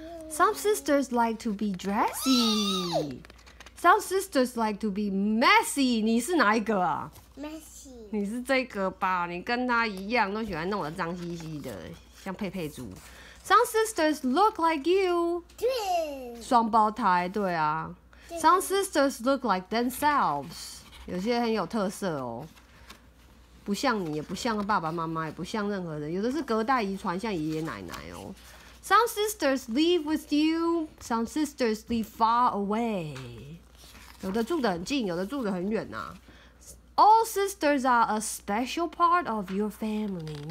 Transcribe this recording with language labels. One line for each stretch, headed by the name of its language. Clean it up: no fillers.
English: Some sisters like to be dressy. Some sisters like to be messy.
Chinese: 你是哪一个啊？
English: Messy.
Chinese: 你是这个吧？你跟他一样，都喜欢弄得脏兮兮的，像佩佩猪。
English: Some sisters look like you. Twins.
Chinese: 双胞胎，对啊。
English: Some sisters look like themselves.
Chinese: 有些很有特色哦，不像你，也不像爸爸妈妈，也不像任何人。有的是隔代遗传，像爷爷奶奶哦。
English: Some sisters live with you. Some sisters live far away.
Chinese: 有的住得很近，有的住得很远啊。
English: All sisters are a special part of your family.